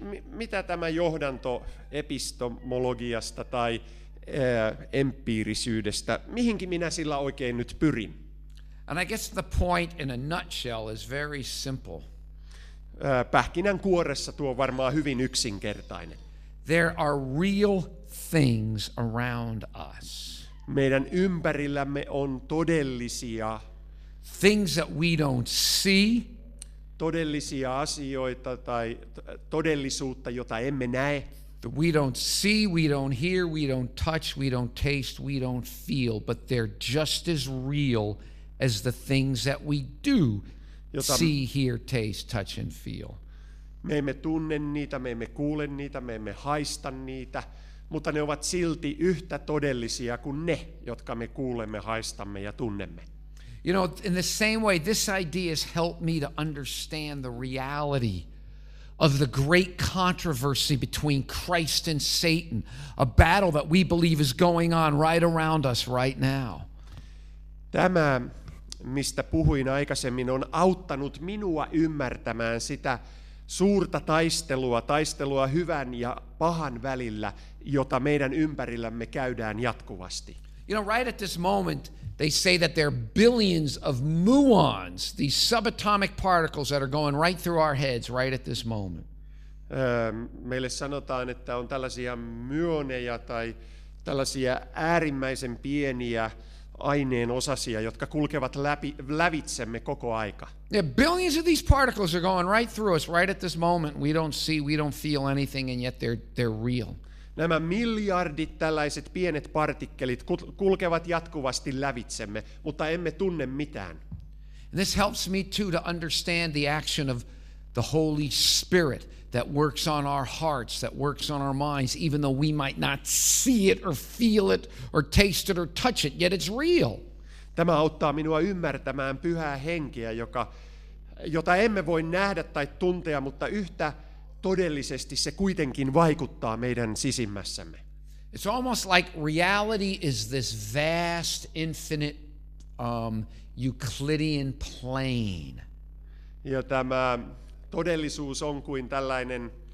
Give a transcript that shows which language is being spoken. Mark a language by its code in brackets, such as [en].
[fi] Mitä tämä johdanto epistemologiasta tai empiirisyydestä? Mihinkin minä sillä oikein nyt pyrin? [en] And I guess the point in a nutshell is very simple. [fi] Pähkinän kuoressa tuo on varmaan hyvin yksinkertainen. [en] There are real things around us. [fi] Meidän ympärillämme on todellisia. [en] Things that we don't see. [fi] Todellisia asioita tai todellisuutta, jota emme näe. [en] That we don't see, we don't hear, we don't touch, we don't taste, we don't feel, but they're just as real as the things that we do see, hear, taste, touch and feel. [fi] Me emme tunne niitä, me emme kuule niitä, me emme haista niitä, mutta ne ovat silti yhtä todellisia kuin ne, jotka me kuulemme, haistamme ja tunnemme. [en] You know, in the same way, this idea has helped me to understand the reality of the great controversy between Christ and Satan, a battle that we believe is going on right around us right now. [fi] Tämä, mistä puhuin aikaisemmin, on auttanut minua ymmärtämään sitä suurta taistelua hyvän ja pahan välillä, jota meidän ympärillämme käydään jatkuvasti. [en] You know, right at this moment, they say that there are billions of muons, these subatomic particles that are going right through our heads right at this moment. [fi] Meille sanotaan, että on tällaisia myoneja tai tällaisia äärimmäisen pieniä aineen osasia, jotka kulkevat lävitsemme koko aika. [en] Yeah, billions of these particles are going right through us right at this moment. We don't see, we don't feel anything, and yet they're real. [fi] Nämä miljardit tällaiset pienet partikkelit kulkevat jatkuvasti lävitsemme, mutta emme tunne mitään. [en] And this helps me too to understand the action of the Holy Spirit that works on our hearts, that works on our minds, even though we might not see it or feel it or taste it or touch it, yet it's real. [fi] Tämä auttaa minua ymmärtämään Pyhää Henkeä, jota emme voi nähdä tai tuntea, mutta yhtä todellisesti se kuitenkin vaikuttaa meidän sisimmässämme. [en] It's almost like reality is this vast, infinite Euclidean plane. [fi] Ja tämä todellisuus on kuin tällainen